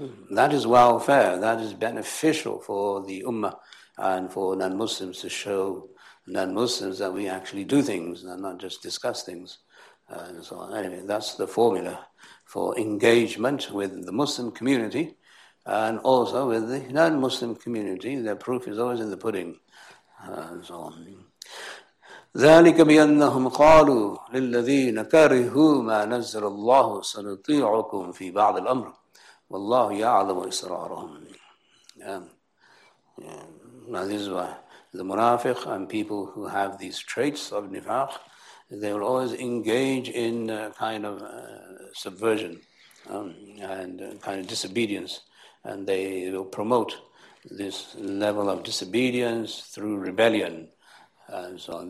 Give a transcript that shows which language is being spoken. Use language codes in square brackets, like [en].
[en] That is welfare. That is beneficial for the Ummah and for non-Muslims, to show non-Muslims that we actually do things and not just discuss things and so on. Anyway, that's the formula for engagement with the Muslim community and also with the non-Muslim community. The proof is always in the pudding and so on. [ar] ذلك بأنهم قالوا للذين كرهوا ما نزل الله سنطيعكم في بعض الأمر والله يعلم إسرارهم. [en] Now this is why the munafiq and people who have these traits of nifaq, they will always engage in a kind of subversion and kind of disobedience, and they will promote this level of disobedience through rebellion. And so on.